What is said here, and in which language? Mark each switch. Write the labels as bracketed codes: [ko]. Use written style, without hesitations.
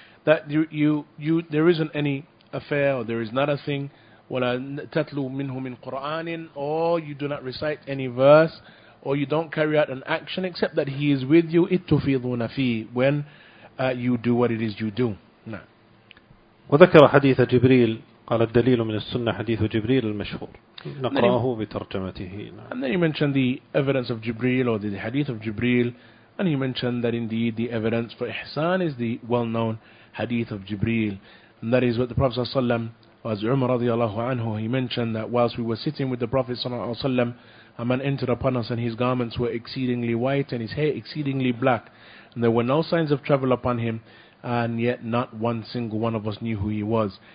[en] That you there isn't any affair, or there is not a thing, [ar] وَلَا تَتْلُو مِنْهُ مِنْ قُرْآنٍ, [en] or you do not recite any verse, or you don't carry out an action except that he is with you, [ar] اتُفِيضُونَ فِيهِ, [en] when you do what it is you do. [ar] وَذَكَرَ حَدِيثَ جِبْرِيلِ قال الدليل من السنة حديث جبريل المشهور نقرأه بترجمته. [en] And then he mentioned the evidence of Jibreel, or the hadith of Jibreel, and he mentioned that indeed the evidence for Ihsan is the well-known hadith of Jibreel, and that is what the Prophet ﷺ, as Umar radiallahu anhu, he mentioned that whilst we were sitting with the Prophet ﷺ, a man entered upon us and his garments were exceedingly white and his hair exceedingly black, and there were no signs of travel upon him, and yet not one single one of us knew who he was.